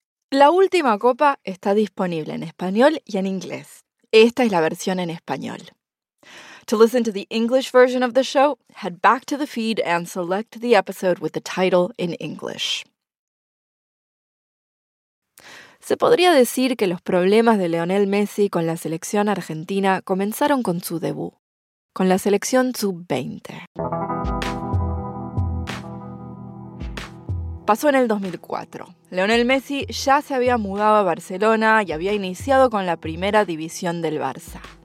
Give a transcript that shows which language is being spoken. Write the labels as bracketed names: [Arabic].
[Spanish] La última copa está disponible en español y en inglés. Esta es la versión en español. [English] To listen to the English version of the show, head back to the feed and select the episode with the title in English. [Spanish] Se podría decir que los problemas de Lionel Messi con la selección argentina comenzaron con su debut, con la selección sub-20. Pasó en el 2004. Lionel Messi ya se había mudado a Barcelona y había iniciado con la primera división del Barça.